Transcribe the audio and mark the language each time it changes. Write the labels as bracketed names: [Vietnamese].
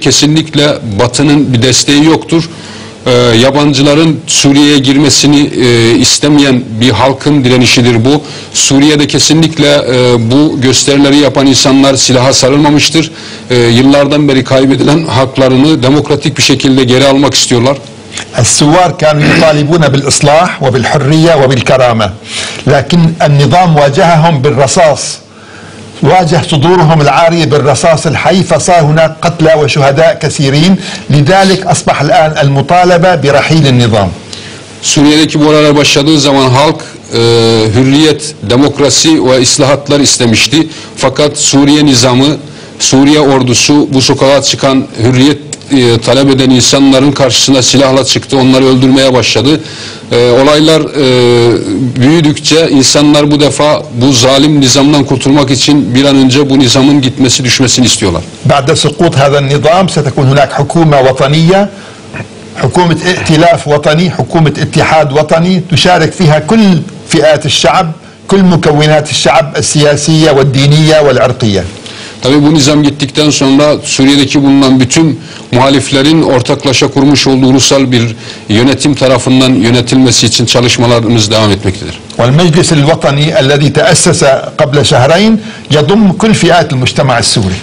[Turkish] Kesinlikle Batı'nın bir desteği yoktur. Yabancıların Suriye'ye girmesini istemeyen bir halkın direnişidir bu. Suriye'de kesinlikle bu gösterileri yapan insanlar silaha sarılmamıştır. Yıllardan beri kaybedilen haklarını demokratik bir şekilde geri almak istiyorlar. [Arabic] السوار كانوا يطالبون بالإصلاح وبالحرية وبالكرامة، لكن النظام واجههم بالرصاص، واجه صدورهم العارية بالرصاص الحي، فصار هناك قتلى وشهداء كثيرين، لذلك أصبح الآن المطالبة برحيل النظام. [Turkish] Suriye'deki bu olaylar başladığı zaman halk hürriyet, demokrasi ve islahatlar istemişti. Fakat Suriye nizamı, Suriye ordusu bu sokağa çıkan hürriyet talep eden insanların karşısına silahla çıktı, onları öldürmeye başladı. Olaylar büyüdükçe insanlar bu defa bu zalim nizamdan kurtulmak için bir an önce bu nizamın gitmesi, düşmesini istiyorlar. [Arabic] بعد سقوط هذا النظام ستكون هناك حكومة وطنية، حكومة ائتلاف وطني، حكومة اتحاد وطني، تشارك فيها كل فئات الشعب، كل مكونات الشعب السياسية والدينية والعرقية. [Turkish] Tabii bu nizam gittikten sonra Suriye'deki bulunan bütün muhaliflerin ortaklaşa kurmuş olduğu ulusal bir yönetim tarafından yönetilmesi için çalışmalarımız devam etmektedir. [Arabic] والمجلس الوطني الذي تأسس قبل شهرين يضم كل فئات المجتمع السوري.